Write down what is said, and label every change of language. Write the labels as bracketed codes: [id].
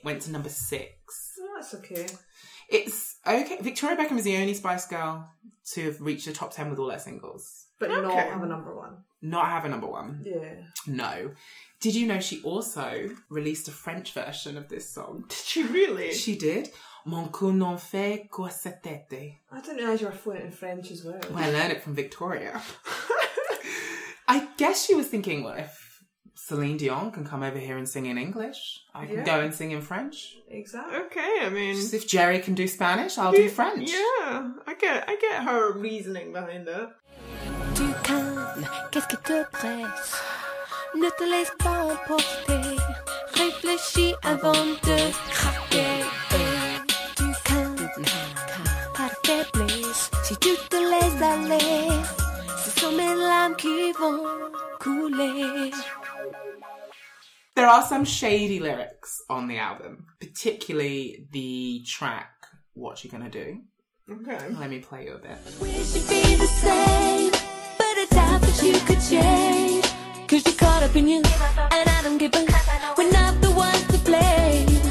[en] Went to number 6. Oh, that's okay. It's okay. Victoria Beckham is the only Spice Girl to have reached the top 10 with all her singles. But not have a number one. Not have a number one. Yeah. No. Did you know she also released a French version of this song? Did she really? She did. [fr] Mon coup n'en fait qu'à sa tête. [en] I didn't realise you were fluent in French as well. Well, I learned it from Victoria. I guess she was thinking, well, if Celine Dion can come over here and sing in English, I can go and sing in French. Exactly. Okay, I mean... Just if Jerry can do Spanish, I'll do French. Yeah, I get her reasoning behind that. [fr] Tu calmes, qu'est-ce qui te presse? Ne te laisse pas emporter, réfléchis avant de craquer. Tu calmes, pas de faiblesse. Si tu te laisses aller, ce sont mes larmes qui vont couler. [en] There are some shady lyrics on the album, particularly the track What You Gonna Do. Okay. Let me play you a bit. Wish it'd be the same, but I doubt that you could change. Cause you're caught up in you, and I don't give a. We're not the ones to blame.